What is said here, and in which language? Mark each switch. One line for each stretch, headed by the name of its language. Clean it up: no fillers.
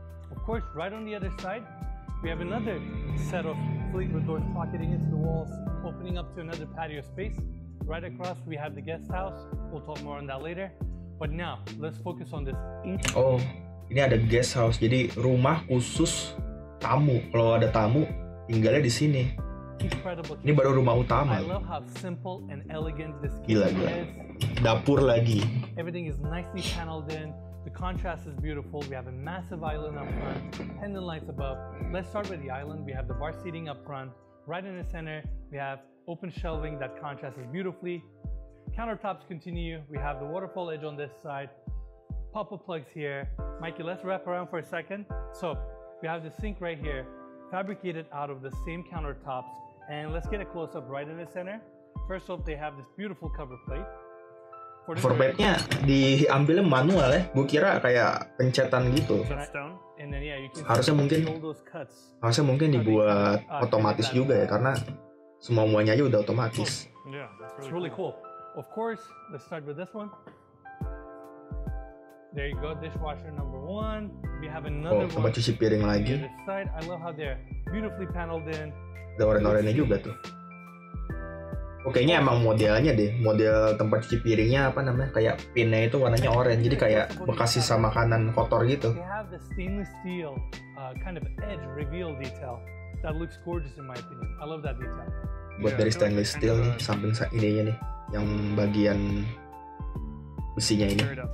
English: Of course, right on the other side, we have another set of fleetwood doors pocketing into the walls, opening up to another patio space. Right across, we have the guest house. We'll talk more on that later. But now, let's focus on this.
Indonesian: Oh, ini ada guest house. Jadi rumah khusus tamu. Kalau ada tamu, tinggalnya di sini. Ini baru rumah utama.
English: I love how simple and elegant this kitchen is.
Indonesian: Dapur lagi.
English: Everything is nicely paneled in. The contrast is beautiful. We have a massive island up front, pendant lights above. Let's start with the island. We have the bar seating up front. Right in the center, we have open shelving that contrasts beautifully. Countertops continue. We have the waterfall edge on this side. Pop-up plugs here. Mikey, let's wrap around for a second. So, we have the sink right here, fabricated out of the same countertops. And let's get a close-up right in the center. First off, they have this beautiful cover plate.
Indonesian: Formatnya diambil manual ya, gue kira kayak pencetan gitu. Harusnya mungkin dibuat otomatis juga ya, karena semua muanya aja udah otomatis.
English: It's really cool. Of course, let's start with this one. There you go, dishwasher number one. We have another one.
Indonesian: Oh, tempat cuci piring lagi.
English: I love how they're beautifully paneled in.
Indonesian: Ada oren-orennya juga tuh. Kayaknya emang modelnya deh, model tempat cuci piringnya apa namanya, kayak pinnya itu warnanya oranye, jadi kayak bekas sisa makanan kotor gitu.
English: They have the stainless steel kind of edge reveal detail that looks gorgeous in my opinion. I love that detail.
Indonesian: Buat dari stainless steel nih, samping ininya nih, yang bagian besinya ini.